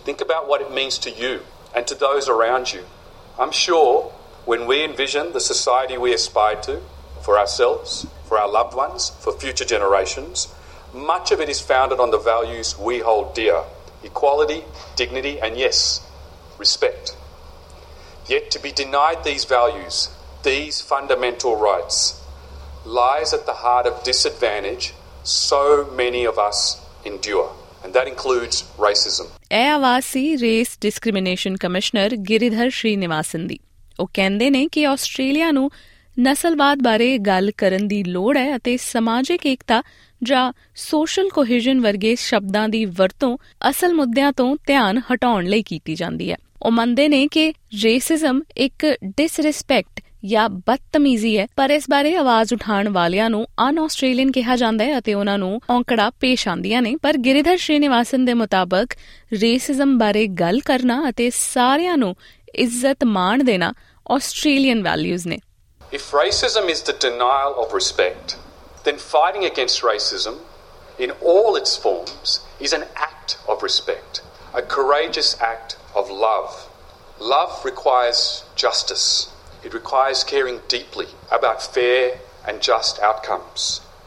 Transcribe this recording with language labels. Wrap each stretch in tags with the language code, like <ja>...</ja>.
<en>Think about what it means to you and to those around you. I'm sure when we envision the society we aspire to for ourselves, for our loved ones, for future generations, much of it is founded on the values we hold dear: equality, dignity, and yes, respect. Yet to be denied these values, these fundamental rights, lies at the heart of disadvantage so many of us endure, and that includes racism.</en> <pa>ਇਹ ਆਵਾਜ਼ ਸੀ race discrimination commissioner Giridhar Srinivasan ਦੀ। ਉਹ ਕਹਿੰਦੇ ਨੇ ਕਿ Australia ਨੂੰ ਨਸਲਵਾਦ ਬਾਰੇ ਗੱਲ ਕਰਨ ਦੀ ਲੋੜ ਹੈ ਅਤੇ ਸਮਾਜਿਕ ਏਕਤਾ ਜਾਂ ਸੋਸ਼ਲ ਕੋਹੀਜ਼ਨ ਵਰਗੇ ਸ਼ਬਦਾਂ ਦੀ ਵਰਤੋਂ ਅਸਲ ਮੁੱਦਿਆਂ ਤੋਂ ਧਿਆਨ ਹਟਾਉਣ ਲਈ ਕੀਤੀ ਜਾਂਦੀ ਹੈ। ਉਹ ਮੰਨਦੇ ਨੇ ਕਿ ਰੇਸਿਜ਼ਮ ਇੱਕ ਡਿਸਰਿਸਪੈਕਟ ਜਾਂ ਬਦਤਮੀਜ਼ੀ ਹੈ, ਪਰ ਇਸ ਬਾਰੇ ਆਵਾਜ਼ ਉਠਾਉਣ ਵਾਲਿਆਂ ਨੂੰ ਅਨ ਆਸਟ੍ਰੇਲੀਅਨ ਕਿਹਾ ਜਾਂਦਾ ਹੈ ਅਤੇ ਉਨ੍ਹਾਂ ਨੂੰ ਔਂਕੜਾ ਪੇਸ਼ ਆਉਂਦੀਆਂ ਨੇ। ਪਰ ਗਿਰੀਧਰ ਸ਼੍ਰੀਨਿਵਾਸਨ ਦੇ ਮੁਤਾਬਕ ਰੇਸਿਜ਼ਮ ਬਾਰੇ ਗੱਲ ਕਰਨਾ ਅਤੇ ਸਾਰਿਆਂ ਨੂੰ ਇੱਜ਼ਤ ਮਾਣ ਦੇਣਾ ਆਸਟ੍ਰੇਲੀਅਨ ਵੈਲਿਊਜ਼ ਨੇ।</pa> <en>If racism is the denial of respect, then fighting against racism in all its forms is an act of respect, a courageous act of love. Love requires justice. It requires caring deeply about fair and just outcomes.</en>